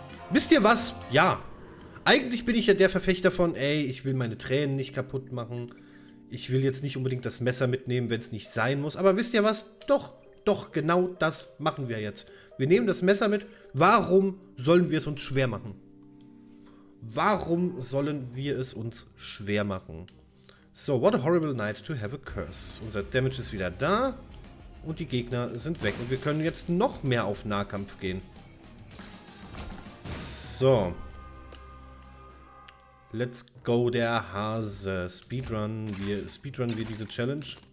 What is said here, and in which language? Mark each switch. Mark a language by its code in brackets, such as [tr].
[de] Wisst ihr was? Ja. Eigentlich bin ich ja der Verfechter von, ey, ich will meine Tränen nicht kaputt machen. Ich will jetzt nicht unbedingt das Messer mitnehmen, wenn es nicht sein muss. Aber wisst ihr was? Doch, doch, genau das machen wir jetzt. Wir nehmen das Messer mit. Warum sollen wir es uns schwer machen? Warum sollen wir es uns schwer machen? [en] So, what a horrible night to have a curse. [de] Unser Damage ist wieder da. Und die Gegner sind weg. Und wir können jetzt noch mehr auf Nahkampf gehen. So. [en] Let's go, [de] der Hase. Speedrun wir diese Challenge.